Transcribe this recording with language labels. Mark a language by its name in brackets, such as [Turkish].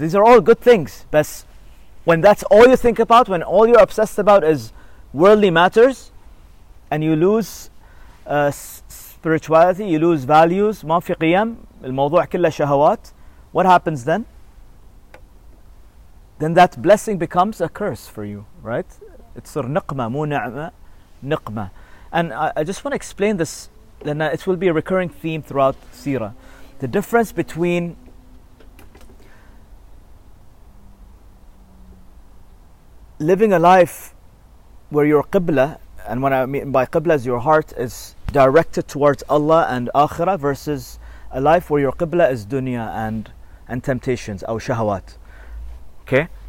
[English] These are all good things. But when that's all you think about, when all you're obsessed about is worldly matters and you lose spirituality, you lose values, [Arabic] ما في قيم, الموضوع كله شهوات, [English] what happens then? Then that blessing becomes a curse for you, right? It's [Arabic] نقمة, مو نعمة, نقمة. [English] And I just want to explain this, then it will be a recurring theme throughout Sirah. The difference between living a life where your qibla, and what I mean by qibla is your heart is directed towards Allah and Akhirah, versus a life where your qibla is dunya and temptations, or shahawat. Okay?